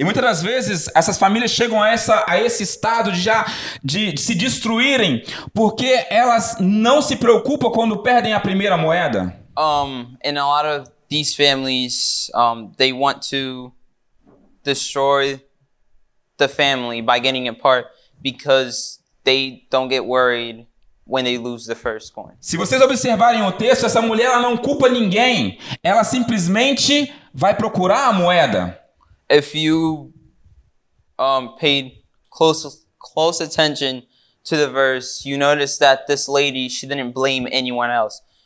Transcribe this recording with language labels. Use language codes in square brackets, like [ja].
[pt] E muitas das vezes essas famílias chegam a esse estado de se destruírem porque elas não se preocupam quando perdem a primeira moeda. [en] And a lot of these families, they want to destroy the family by getting apart because they don't get worried when they lose the first coin. [pt] Se vocês observarem o texto, essa mulher ela não culpa ninguém. Ela simplesmente vai procurar a moeda. [en] If you paid close attention to the verse, you notice that this lady, she didn't blame anyone else.